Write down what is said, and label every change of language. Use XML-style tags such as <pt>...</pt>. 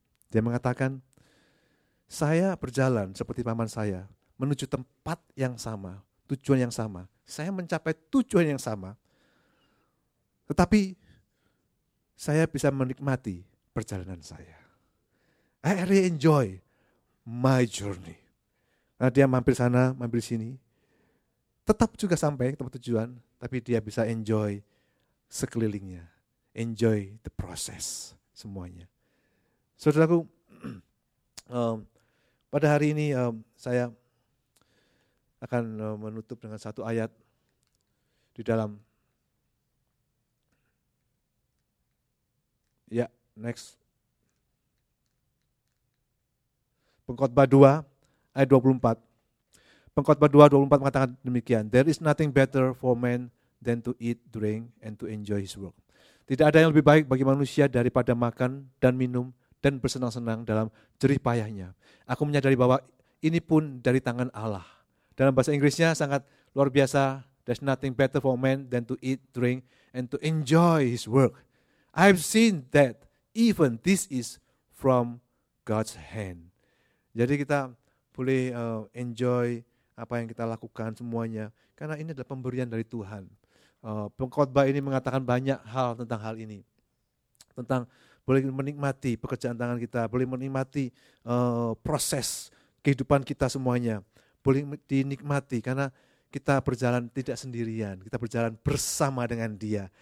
<id>Dia mengatakan, saya berjalan seperti paman saya, menuju tempat yang sama, tujuan yang sama. Saya mencapai tujuan yang sama, tetapi saya bisa menikmati perjalanan saya.</id> <en>I really enjoy my journey.</en> <id>Nah, dia mampir sana, mampir sini, tetap juga sampai tempat tujuan, tapi dia bisa enjoy sekelilingnya,</id> <en>enjoy the process</en> <id>semuanya. Saudaraku, pada hari ini saya akan menutup dengan satu ayat di dalam Ya, next. Pengkhotbah 2 ayat 24. Pengkhotbah 2 ayat 24 mengatakan demikian,</id> <en>"There is nothing better for man than to eat, drink and to enjoy his work."</en> <id>Tidak ada yang lebih baik bagi manusia daripada makan dan minum dan bersenang-senang dalam jerih payahnya. Aku menyadari bahwa ini pun dari tangan Allah. Dalam bahasa Inggrisnya sangat luar biasa.</id> <en>There's nothing better for man than to eat, drink, and to enjoy his work. I've seen that even this is from God's hand.</en> <id>Jadi kita boleh enjoy apa yang kita lakukan semuanya. Karena ini adalah pemberian dari Tuhan. Pengkhotbah ini mengatakan banyak hal tentang hal ini. Tentang boleh menikmati pekerjaan tangan kita, boleh menikmati proses kehidupan kita semuanya. Boleh dinikmati karena kita berjalan tidak sendirian, kita berjalan bersama dengan Dia.</id>